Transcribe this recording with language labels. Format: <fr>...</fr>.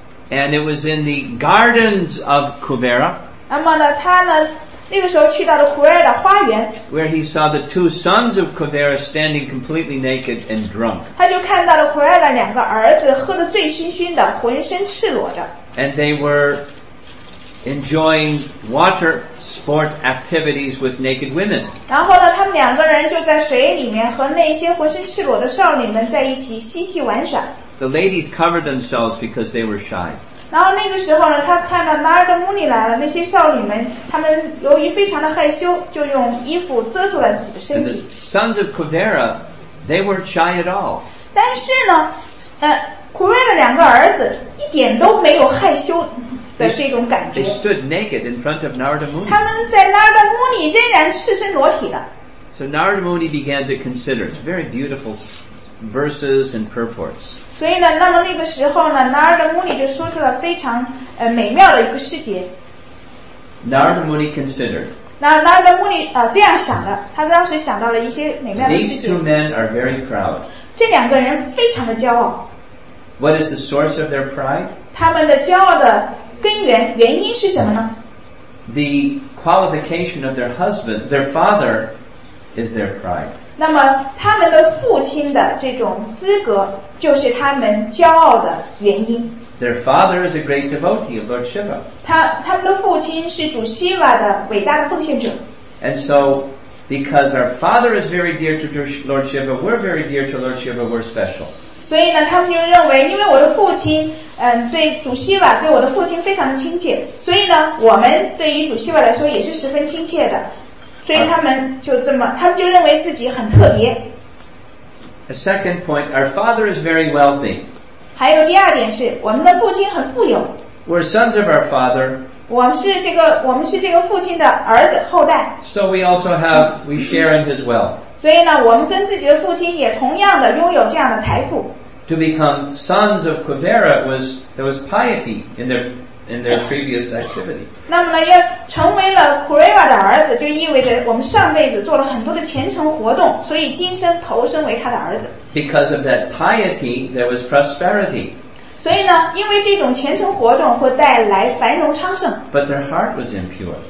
<en>And it was in the gardens of Kuvera.</en> <zh>那么呢，他呢？那个时候去到了库尔的花园</zh> <en>where he saw the two sons of Kuvera standing completely naked and drunk.</en> <zh>他就看到了库尔的两个儿子喝得醉醺醺的浑身赤裸的</zh> <en>and they were enjoying water sport activities with naked women.</en> <zh>然后呢他们两个人就在水里面和那些浑身赤裸的少女们在一起嬉戏玩耍</zh> <en>The ladies covered themselves because they were shy.</en> <zh>然后那个时候呢，他看到 Narada Muni 来了，那些少女们，她们由于非常的害羞，就用衣服遮住了自己的身体。</zh> <en>Sons of Kuvera, they weren't shy at all.</en> <zh>但是呢，Kuvera 的两个儿子一点都没有害羞的这种感觉。</zh> <en>They stood naked in front of Narada Muni.</en> <zh>他们在 Narada Muni 仍然赤身裸体的。</zh> <en>So Narada Muni began to consider. It's very beautiful verses and purports.</en> <zh>所以呢，那么那个时候呢 ，Narada Muni 就说出了非常美妙的一个世界。</zh> <en>Narada Muni considered.</en> <zh>那 Narada Muni 这样想的，他当时想到了一些美妙的世界。</zh> <en>These two men are very proud.</en> <zh>这两个人非常的骄傲。</zh> <en>What is the source of their pride?</en> <zh>他们的骄傲的根源原因是什么呢</zh> <en>？The qualification of their husband, their father, is their pride.</en> <zh>那么他们的父亲的这种资格就是他们骄傲的原因</zh> <en>Their father is a great devotee of Lord Shiva</en> <zh>他们的父亲是主 Shiva 的伟大的奉献者</zh> <en>And so because our father is very dear to Lord Shiva We're very dear to Lord Shiva, we're special</en> <zh>所以呢他们就认为因为我的父亲对主 Shiva 对我的父亲非常的亲切所以呢我们对于主 Shiva 来说也是十分亲切的所以他们就这么他们就认为自己很特别</zh> <en>A second point Our father is very wealthy</en> <zh>还有第二点是我们的父亲很富有</zh> <en>We're sons of our father</en> <zh>我们是这个父亲的儿子后代</zh> <en>So we also have We share in his wealth</en> <zh>所以呢我们跟自己的父亲也同样的拥有这样的财富</zh> <en>To become sons of Kuvera There was piety in their previous activity.</en> <zh>那么呢，要成为了 Kuvera 的儿子，就意味着我们上辈子做了很多的虔诚活动，所以今生投身为他的儿子。</zh> <en>Because of that piety, there was prosperity.</en> <zh>所以呢，因为这种虔诚活动会带来繁荣昌盛。</zh> <en>But their heart was impure.</en>